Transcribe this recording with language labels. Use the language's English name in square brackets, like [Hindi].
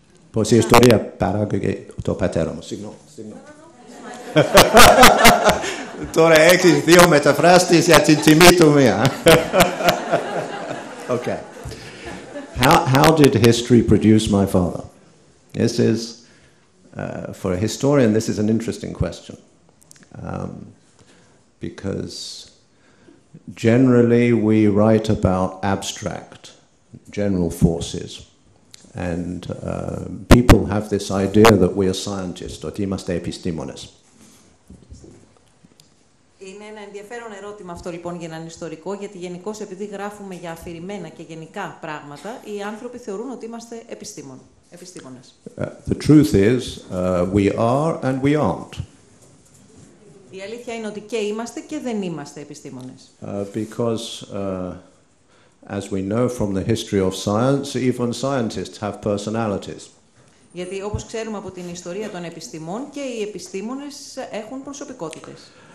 [Greek] Πώς η ιστορία παράγωγε το πατέρα μου. Συγγνώμη. Τώρα έχεις δύο μεταφράστες για την τιμή του μία. [English] Okay. How did history produce my father? This is, for a historian, this is an interesting question. Because generally we write about abstract, general forces. And people have this idea that we are scientists, [Greek] ότι είμαστε επιστήμονες. Είναι ένα ενδιαφέρον ερώτημα αυτό λοιπόν για έναν ιστορικό, γιατί γενικώς επειδή γράφουμε για αφηρημένα και γενικά πράγματα, οι άνθρωποι θεωρούν ότι είμαστε επιστήμονες. [English] The truth is, we are and we aren't. [Greek] Η αλήθεια είναι ότι και είμαστε και δεν είμαστε επιστήμονες. [English] Because, as we know from the history of science, even scientists have personalities. [Greek] Γιατί όπως ξέρουμε από την ιστορία των επιστημών, και οι επιστήμονες έχουν προσωπικότητες.